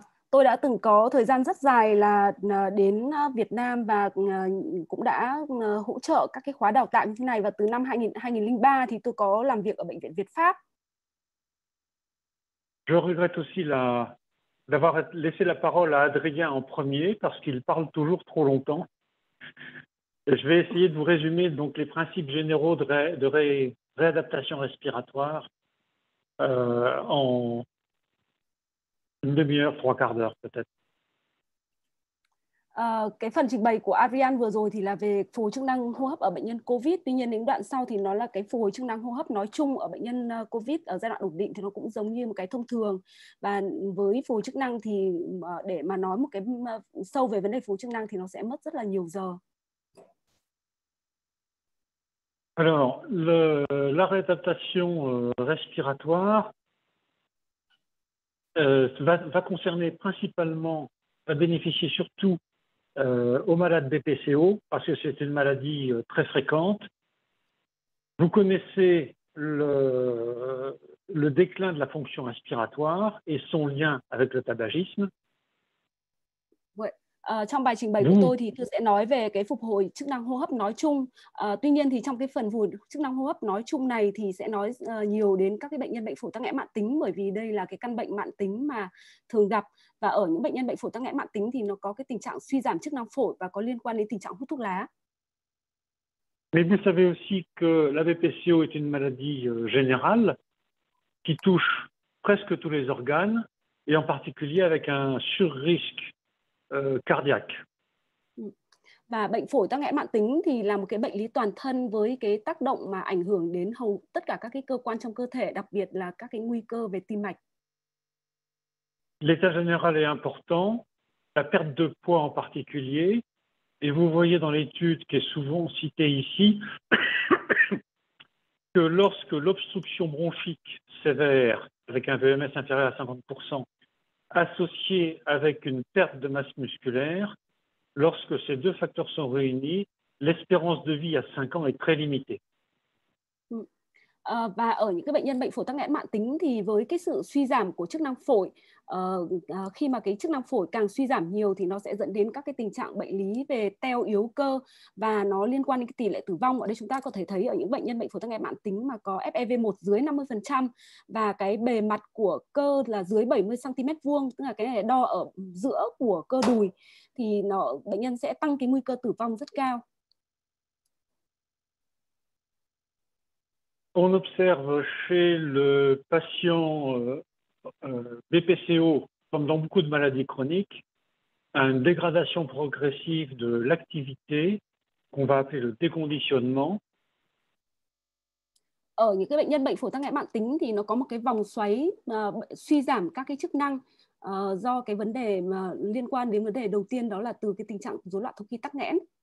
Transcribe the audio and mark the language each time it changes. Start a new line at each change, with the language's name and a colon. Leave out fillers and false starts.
Vietnamese: Tôi đã từng có thời gian rất dài là đến Việt Nam và cũng đã hỗ trợ các cái khóa đào tạo như thế này và từ năm 2003 thì tôi có làm việc ở bệnh viện Việt Pháp.
French: Je regrette aussi d'avoir laissé la parole à Adrien en premier parce qu'il parle toujours trop longtemps. Je vais essayer de vous résumer donc les principes généraux réadaptation respiratoire en une demi-heure, trois quarts d'heure peut-être.
Vietnamese: Cái phần trình bày của Arian vừa rồi thì là về phục hồi chức năng hô hấp ở bệnh nhân COVID. Tuy nhiên đến đoạn sau thì nó là cái phục hồi chức năng hô hấp nói chung ở bệnh nhân COVID ở giai đoạn ổn định thì nó cũng giống như một cái thông thường. Và với phục hồi chức năng thì để mà nói một cái sâu về vấn đề phục hồi chức năng thì nó sẽ mất rất là nhiều giờ.
French: Alors, la réadaptation respiratoire va concerner principalement, va bénéficier surtout aux malades BPCO, parce que c'est une maladie très fréquente. Vous connaissez le déclin de la fonction respiratoire et son lien avec le tabagisme. Ouais.
Vietnamese: Trong bài trình bày của tôi thì tôi sẽ nói về cái phục hồi chức năng hô hấp nói chung. Tuy nhiên thì trong cái phần phục hồi chức năng hô hấp nói chung này thì sẽ nói nhiều đến các cái bệnh nhân bệnh phổi tắc nghẽn mãn tính, bởi vì đây là cái căn bệnh mãn tính mà thường gặp. Và ở những bệnh nhân bệnh phổi tắc nghẽn mãn tính thì nó có cái tình trạng suy giảm chức năng phổi và có liên quan đến tình trạng hút thuốc lá.
French: Mais vous savez aussi que la BPCO est une maladie générale qui touche presque tous les organes et en particulier avec un surrisque cardiaque.
Vietnamese: Và bệnh phổi tắc nghẽn mãn tính thì là một cái bệnh lý toàn thân với cái tác động mà ảnh hưởng đến hầu tất cả các cái cơ quan trong cơ thể, đặc biệt là các cái nguy cơ về tim mạch.
French: L'état général est important, la perte de poids en particulier. Et vous voyez dans l'étude qui est souvent citée ici que lorsque l'obstruction bronchique sévère avec un VMS inférieur à 50% associée avec une perte de masse musculaire, lorsque ces deux facteurs sont réunis, l'espérance de vie à 5 ans est très limitée.
Vietnamese: Và ở những cái bệnh nhân bệnh phổi tắc nghẽn mãn tính thì với cái sự suy giảm của chức năng phổi, khi mà cái chức năng phổi càng suy giảm nhiều thì nó sẽ dẫn đến các cái tình trạng bệnh lý về teo yếu cơ và nó liên quan đến cái tỷ lệ tử vong. Ở đây chúng ta có thể thấy ở những bệnh nhân bệnh phổi tắc nghẽn mãn tính mà có FEV1 dưới 50% và cái bề mặt của cơ là dưới 70 cm², tức là cái này đo ở giữa của cơ đùi, thì nó bệnh nhân sẽ tăng cái nguy cơ tử vong rất cao.
French: On observe chez le patient BPCO, comme dans beaucoup de maladies chroniques, une dégradation progressive de l'activité, qu'on va appeler le déconditionnement.
Vietnamese: Ở những cái bệnh nhân bệnh phổi tắc nghẽn mãn tính thì nó có một cái vòng xoáy suy giảm các cái chức năng do cái vấn đề mà liên quan đến vấn đề đầu tiên, đó là từ cái tình trạng rối loạn thông khí tắc nghẽn.